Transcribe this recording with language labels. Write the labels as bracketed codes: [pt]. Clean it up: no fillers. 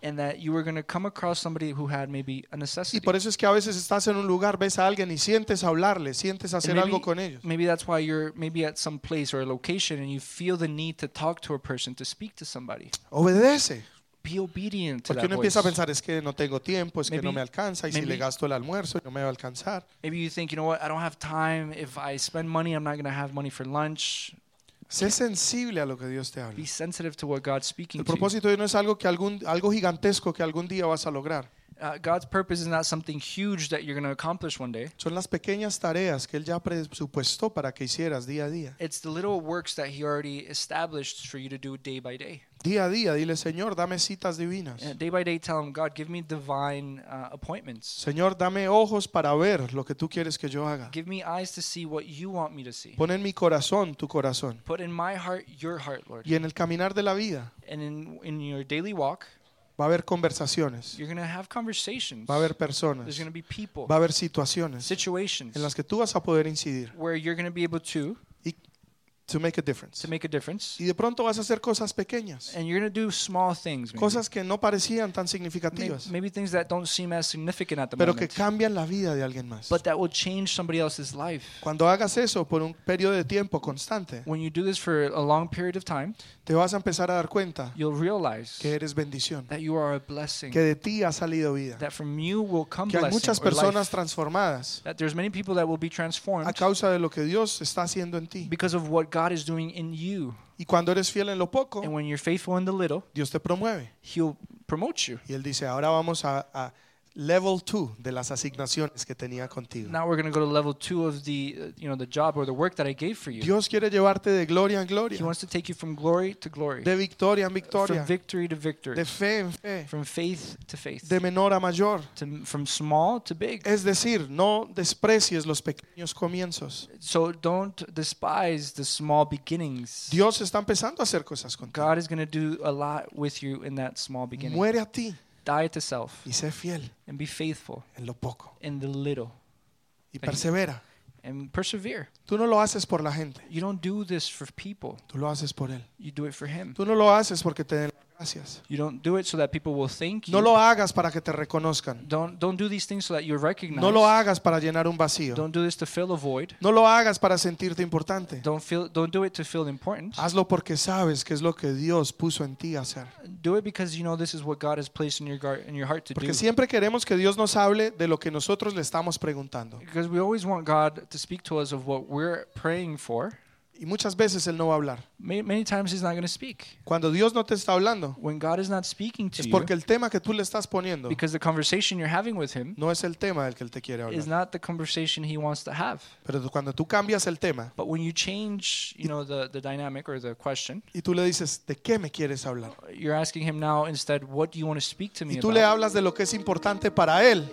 [en] And that you were going to come across somebody who had maybe a necessity. [es] Y por eso es que a veces estás en un lugar, ves a alguien y sientes hablarle, sientes hacer algo con ellos. [en] Maybe that's why you're maybe at some place or a location and you feel the need to talk to a person, to speak to somebody. [es] Obedece. [en] Be obedient to that. [es] Porque uno [en] voice. [es] Empieza a pensar, es que no tengo tiempo, es maybe, que no me alcanza, y maybe, si le gasto el almuerzo, no me va a alcanzar. [en] Maybe you think, you know what, I don't have time. If I spend money, I'm not going to have money for lunch. [es] Sé sensible a lo que Dios te habla. [en] Be sensitive to what God's speaking to you. [es] El propósito de Dios no es algo gigantesco que algún día vas a lograr. [en] God's purpose is not something huge that you're going to accomplish one day. [es] Son las pequeñas tareas que él ya presupuestó para que hicieras día a día. [en] It's the little works that he already established for you to do day by day. [es] Día a día, dile, Señor, dame citas divinas. [en] Day by day, tell him, God, give me divine appointments. [es] Señor, dame ojos para ver lo que tú quieres que yo haga. [en] Give me eyes to see what you want me to see. [es] Pon en mi corazón tu corazón. [en] Put in my heart your heart, Lord. [es] Y en el caminar de la vida. [en] And in your daily walk. [es] Va a haber conversaciones. [en] You're going to have conversations. [es] Va a haber personas. [en] There's going to be people. [es] Va a haber situaciones. [en] Situations. [es] En las que tú vas a poder incidir. [en] Where you're going to be able to. To make a difference. To make a difference. [es] Y de pronto vas a hacer cosas pequeñas. [en] And you're going to do small things. Maybe. [es] Cosas que no parecían tan significativas. [en] Maybe things that don't seem as significant at the [es] pero [en] moment. [es] Pero que cambian la vida de alguien más. [en] But that will change somebody else's life. [es] Cuando hagas eso por un periodo de tiempo constante. [en] When you do this for a long period of time. [es] Te vas a empezar a dar cuenta. [en] You'll realize. [es] Que eres bendición. [en] That you are a blessing. [es] Que de ti ha salido vida. [en] That from you will come blessing. [es] Que hay muchas personas transformadas. [en] That there's many people that will be transformed. [es] A causa de lo que Dios está haciendo en ti. [en] Because of what God is doing in you. [es] Y cuando eres fiel en lo poco, [en] and when you're faithful in the little, [es] Dios te promueve. [en] He'll promote you. [es] Y él dice, ahora vamos a [en] level 2 [es] de las asignaciones que tenía contigo. [en] Now we're going to go to level 2 of the, you know, the job or the work that I gave for you. [es] Dios quiere llevarte de gloria en gloria. [en] He wants to take you from glory to glory. [es] De victoria en victoria. [en] From victory to victory. [es] De fe en fe. [en] From faith to faith. [es] De menor a mayor. [en] From small to big. [es] Es decir, no desprecies los pequeños comienzos. [en] So don't despise the small beginnings. [es] Dios está empezando a hacer cosas contigo. [en] God is going to do a lot with you in that small beginning. [es] Muere a ti. [en] Die to self. [es] Y sé fiel. [en] And be faithful. [es] En lo poco. [en] In the little. [es] Y persevera. [en] And persevere. [es] Tú no lo haces por la gente. [en] You don't do this for people. [es] Tú lo haces por él. [en] You do it for him. [es] Tú no lo haces porque te den gracias. [en] You don't do it so that people will thank you. [es] No lo hagas para que te reconozcan. [en] Don't do these things so that you're recognized. [es] No lo hagas para llenar un vacío. [en] Don't do this to fill a void. [es] No lo hagas para sentirte importante. [en] Don't do it to feel important. [es] Hazlo porque sabes que es lo que Dios puso en ti hacer. [en] Do it because you know this is what God has placed in your heart to [es] porque [en] do. [es] Porque siempre queremos que Dios nos hable de lo que nosotros le estamos preguntando. [en] Because we always want God to speak to us of what we're praying for. [es] Y muchas veces él no va a hablar. [en] Many times he's not going to speak. [es] Cuando Dios no te está hablando, [en] when God is not speaking to [es] es porque [en] you, [es] el tema que tú le estás poniendo, [en] because the conversation you're having with him, [es] no es el tema del que él te quiere hablar. [en] Is not the conversation he wants to have. [es] Pero cuando tú cambias el tema, [en] but when you change, you know, the dynamic or the question, [es] y tú le dices, ¿de qué me quieres hablar? [en] You're asking him now instead, what do you want to speak to me about? [es] Y tú le hablas de lo que es importante para él.